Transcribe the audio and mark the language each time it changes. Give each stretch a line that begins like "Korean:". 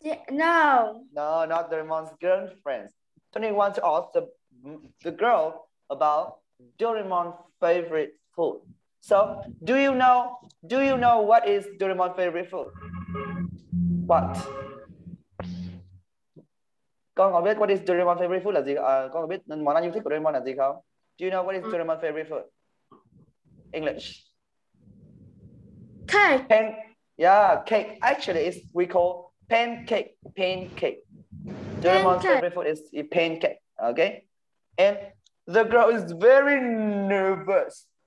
English: No. No, not Doraemon's girlfriend. Tony wants to ask the girl about Doraemon's favorite food. So, do you know what is Doraemon's favorite food? What?
Vietnamese: Con có biết
English: what is Doraemon's favorite food
Vietnamese: là gì? Con có biết món ăn yêu thích của Doraemon là gì không?
English: Do you know what is Doraemon's favorite food? English. Cake. Cake. Actually, we call pancake. Pancake. Doraemon's favorite food is pancake. Okay. And the girl is very nervous.